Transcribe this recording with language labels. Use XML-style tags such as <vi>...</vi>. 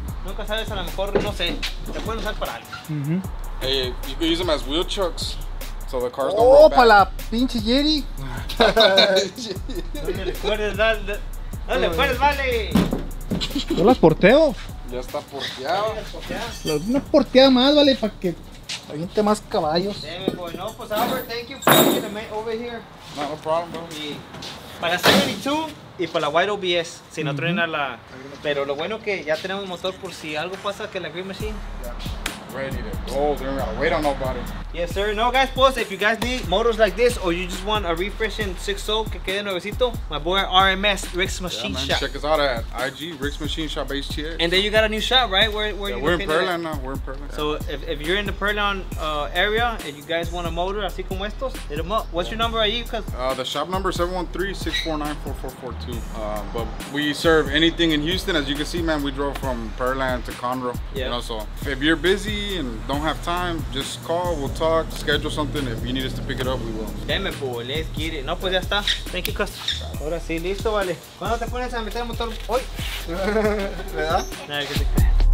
<es>Nunca sabes, a lo mejor, no sé, te pueden usar para algo. Mm-hmm.</es> <en>Hey, you could use them as wheel chucks, so the cars don't roll back.</en> <es>Oh, para la pinche Yeti. ¿Dónde le puedes, vale? Yo las porteo. Ya está porteado. Una porteada más, vale, para que aviente más caballos.</es> <en>Damn it, boy.</en> <es>No, pues</es> <en>Albert, thank you for taking the mate over here. No, no problem, bro. Y</en> <es>para 72 y para la White OBS, si no truena la... Pero lo bueno que ya tenemos motor por si algo pasa que la Green Machine.</es> <en>Yeah. Ready to go, they don't gotta wait on nobody. Yes sir, no guys, pues if you guys need motors like this or you just want a refreshing 6.0</en> <es>que quede nuevecito,</es> <en>my boy RMS, Rick's Machine Shop. Check us out at IG, Rick's Machine Shop HTX. And then you got a new shop, right? Where yeah, we're in Pearland now. So if you're in the Pearland area and you guys want a motor</en> <es>así como estos,</es> <en>hit them up. What's your number ahí? The shop number is 713-649-4442. But we serve anything in Houston. As you can see, man, we drove from Pearland to Conroe. Yeah. You know, so if you're busy and don't have time, just call, we'll talk, schedule something. If you need us to pick it up, we will.</en> <es>Deme, pues,</es> <en>let's get it.</en> <es>No, pues ya está.</es> <en>Thank you,</en> <es>Custer. Ahora sí, listo, vale. ¿Cuándo te pones a meter el motor? Hoy. ¿Verdad? No, que te...</es>